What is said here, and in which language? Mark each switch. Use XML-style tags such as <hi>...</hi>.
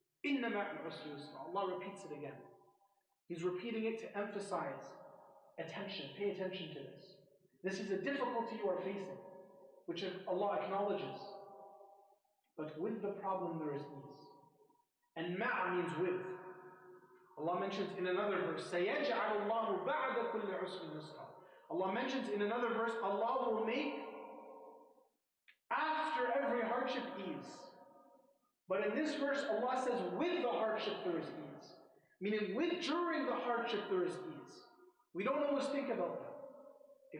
<ar>إِنَّمَا الْعُسْرِ يُسْرًا.</ar> <en>Allah repeats it again. He's repeating it to emphasize attention. Pay attention to this. This is a difficulty you are facing, which Allah acknowledges. But with the problem there is ease. And ma' means with. Allah mentions in another verse,</en> <ar>سَيَجْعَلُ اللَّهُ بَعْدَ كُلِّ عُسْرٍ يُسْرًا.</ar> <en>Allah mentions in another verse, Allah will make after every hardship ease. But in this verse, Allah says, with the hardship there is ease. Meaning, with during the hardship there is ease. We don't always think about that.</en>